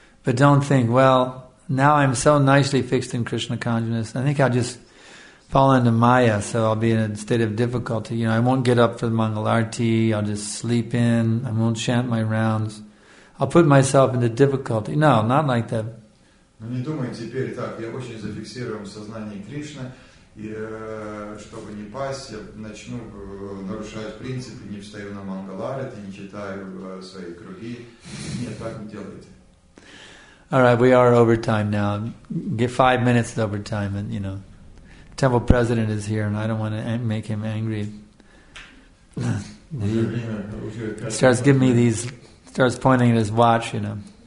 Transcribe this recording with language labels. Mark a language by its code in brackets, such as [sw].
[en] But don't think, well, now I'm so nicely fixed in Krishna consciousness, I think I'll just fall into Maya, so I'll be in a state of difficulty. You know, I won't get up for the Mangalarti, I'll just sleep in, I won't chant my rounds. I'll put myself into difficulty. No, not like that. [ru] Но не думай теперь так, я очень зафиксирован в сознании Кришны, и чтобы не пасть, я начну нарушать принципы, не встаю на Мангаларати, не читаю свои круги. Нет, так не делайте. [en] All right, we are over time now. Get 5 minutes over time, and you know, temple president is here, and I don't want to make him angry. He starts giving me these, starts pointing at his watch, you know.